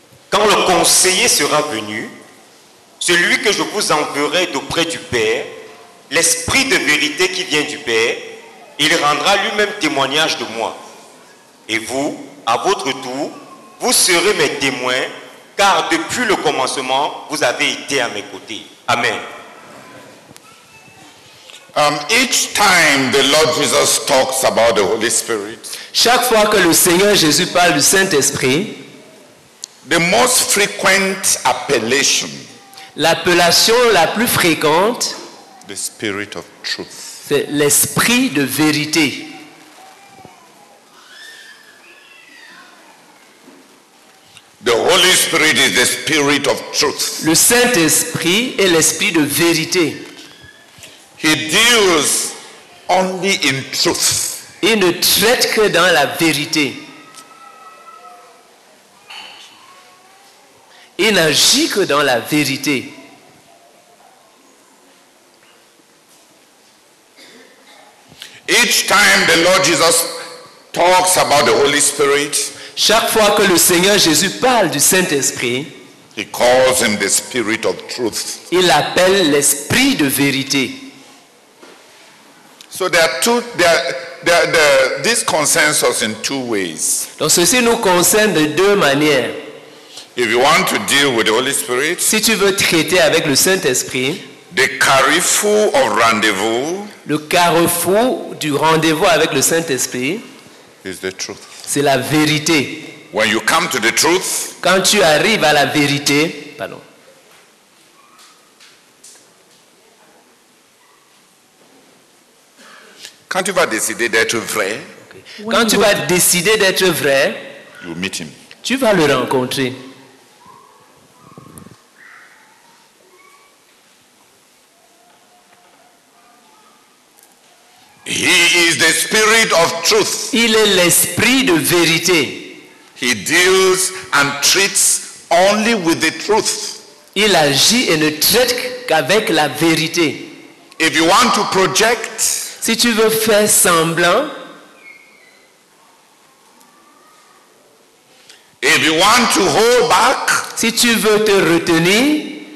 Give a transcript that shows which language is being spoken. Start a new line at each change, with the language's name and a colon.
French: Quand le conseiller sera venu, celui que je vous enverrai d'auprès du Père, l'esprit de vérité qui vient du Père, il rendra lui-même témoignage de moi. Et vous, à votre tour, vous serez mes témoins, car depuis le commencement, vous avez été à mes côtés. Amen.
English: Each time the Lord Jesus talks about the Holy Spirit,
French: chaque fois que le Seigneur Jésus parle du Saint-Esprit,
English: the most frequent appellation,
French: l'appellation la plus fréquente,
English: the Spirit of Truth,
French: c'est l'Esprit de vérité.
English: The Holy Spirit is the Spirit of Truth.
French: Le Saint-Esprit est l'Esprit de vérité.
English: He deals only in truth.
French: Il ne traite que dans la vérité. Il n'agit que dans la vérité.
English: Each time the Lord Jesus talks about the Holy Spirit,
French: chaque fois que le Seigneur Jésus parle du Saint-Esprit,
English: he calls him the Spirit of Truth.
French: Il appelle l'Esprit de vérité.
English: So there are two, this concerns us in two ways.
French: Donc ceci nous concerne de deux manières.
English: If you want to deal with the Holy Spirit,
French: si tu veux traiter avec le Saint-Esprit,
English: the carrefour of rendezvous,
French: le carrefour du rendez-vous avec le Saint-Esprit,
English: is the truth.
French: C'est la vérité.
English: When you come to the truth,
French: quand tu arrives à la vérité, pardon. Quand tu vas décider d'être vrai, quand tu vas décider d'être vrai,
English: you meet him.
French: Tu vas le rencontrer.
English: He is the Spirit of Truth.
French: Il est l'Esprit de vérité.
English: He deals and treats only with the truth.
French: Il agit et ne traite qu'avec la vérité.
English: If you want to project,
French: si tu veux faire semblant,
English: if you want to hold back,
French: si tu veux te retenir,